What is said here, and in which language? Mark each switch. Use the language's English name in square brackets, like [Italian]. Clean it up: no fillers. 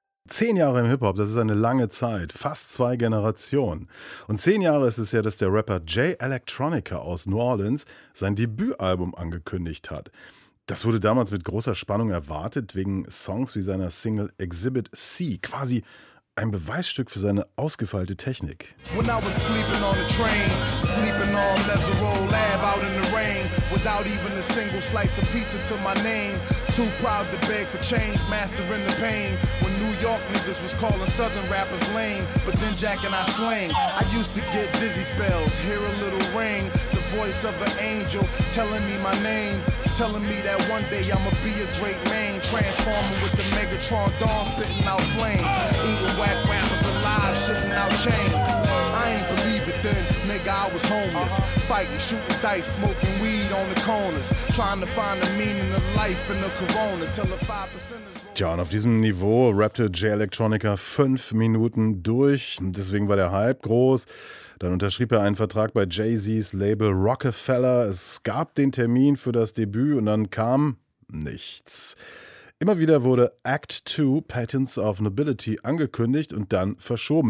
[German] 10 Jahre im Hip-Hop, das ist eine lange Zeit, fast 2 Generationen. Und 10 Jahre ist es ja, dass der Rapper Jay Electronica aus New Orleans sein Debütalbum angekündigt hat. Das wurde damals mit großer Spannung erwartet, wegen Songs wie seiner Single Exhibit C, quasi ein Beweisstück für seine ausgefeilte Technik. [English] When I was sleeping on the train, sleeping on Mesero Lab out in the rain, without even a single slice of pizza to my name, too proud to beg for change, mastering the pain, when New York niggas was calling Southern rappers lame, but then Jack and I slang, I used to get dizzy spells, hear a little ring, the voice of an angel telling me my name, telling me that one day I'ma be a great man, transforming with the Megatron dawn, spitting out flames, eating whack rappers alive, shitting out chains. I ain't believe it then, nigga, I was homeless, fighting, shooting dice, smoking weed on the corners, trying to find the meaning of life in the corona, till the 5% is... [German] Tja, und auf diesem Niveau rappte Jay Electronica 5 Minuten durch, deswegen war der Hype groß. Dann unterschrieb er einen Vertrag bei Jay-Z's Label Rockefeller. Es gab den Termin für das Debüt und dann kam nichts. Immer wieder wurde Act 2, Patents of Nobility, angekündigt und dann verschoben.